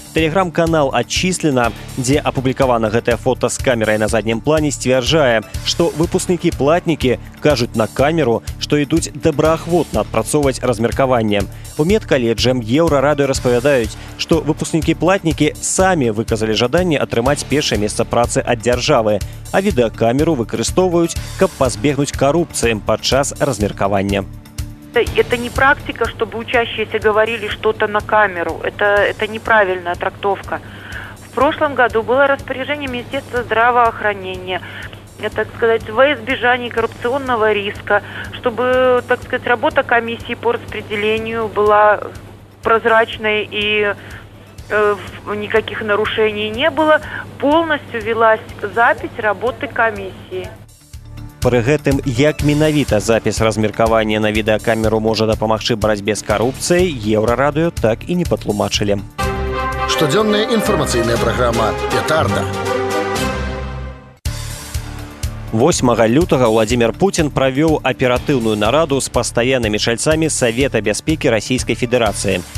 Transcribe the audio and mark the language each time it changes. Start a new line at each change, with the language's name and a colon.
Belarusian: Телеграм-канал «Адчыслена», дзе апублікавана гэтае фота з камерай на заднім плані, сцвярджае, што выпускнікі-платнікі кажуць на камеру, што ідуць добраахвотна адпрацоўваць размеркаванне. У медкаледжы Еўрарадыё распавядаюць, што выпускнікі-платнікі самі выказалі жаданне атрымаць першае месца працы ад дзяржавы, а відэакамеру выкарыстоўваюць, каб пазбегнуць карупцыі падчас размеркавання.
Russian: Это не практика, чтобы учащиеся говорили что-то на камеру. Это неправильная трактовка. В прошлом году было распоряжение Министерства здравоохранения, так сказать, во избежание коррупционного риска, чтобы, так сказать, работа комиссии по распределению была прозрачной и никаких нарушений не было, полностью велась запись работы комиссии.
Belarusian: Пры гэтым, як менавіта запись размеркавання на відэакамеру можа дапамагчы барацьбе з карупцыяй, Еўрарадыё так і не патлумачылі. Штодзённая інфармацыйная праграма «Петарда». 8 лютага Владзімір Пуцін правёў аператыўную нараду з пастаяннымі чальцамі Савета бяспекі Расійскай Федэрацыі.